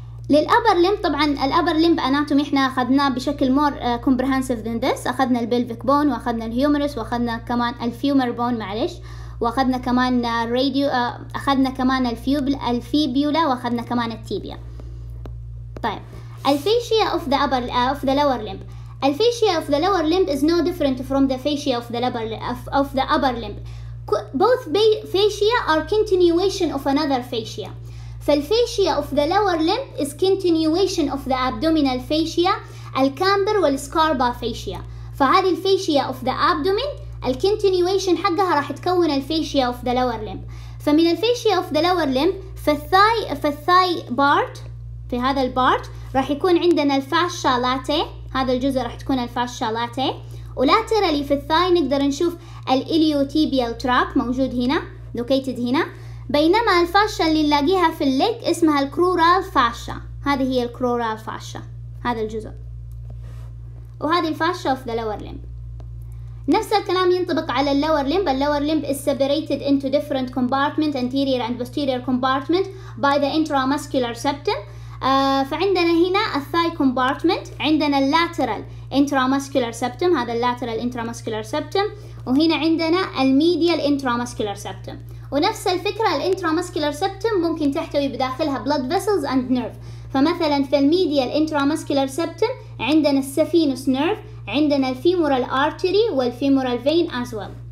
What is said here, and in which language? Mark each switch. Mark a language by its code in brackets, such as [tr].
[ar] للأبر لمب، طبعا الأبر لمب أناتومي إحنا أخذنا بشكل [en] more comprehensive than this، [ar] أخذنا البلفيك بون وأخذنا الهيومرس وأخذنا كمان الفيومر بون معلش، وأخذنا كمان الراديو، أخذنا كمان الفيبيولا وأخذنا كمان التيبيا. [en] طيب الفيشيا of the upper of the lower limb، الفيشيا of the lower limb is no different from the fascia of the upper limb. Both fascia are continuation of another fascia. فالفيشيا of the lower limb is continuation of the abdominal fascia, [ar] الكامبر والسكاربا [en] fascia. [ar] فهذه الفيشيا of the abdomen الكنتينيويشن حقها راح تكون الفيشيا of the lower limb. فمن الفيشيا of the lower limb فالثاي بارت، في هذا البارت راح يكون عندنا الفاشا لاتي، هذا الجزء راح تكون الفاشا لاتي، ولاترالي في الثاي نقدر نشوف الاليوتيبيال تراك موجود هنا لوكيتد هنا، بينما الفاشا اللي نلاقيها في الليك اسمها الكرورال فاشا، هذه هي الكرورال فاشا هذا الجزء، وهذه الفاشا اوف ذا لور لمب. نفس الكلام ينطبق على اللور لمب، [en] اللور limb is separated into different compartment anterior and posterior compartment by the intramuscular septum. [ar] فعندنا هنا الثاي كومبارتمنت، عندنا اللاترال انترامسكولار سبتم، هذا اللاترال انترامسكولار سبتم، وهنا عندنا الميديال انترامسكولار سبتم، ونفس الفكره الانترامسكولار سبتم ممكن تحتوي بداخلها بلاد فيسلز اند نيرف. فمثلا في الميديال انترامسكولار سبتم عندنا السفينوس نيرف، عندنا الفيمورال ارتري والفيمورال فين از ويل.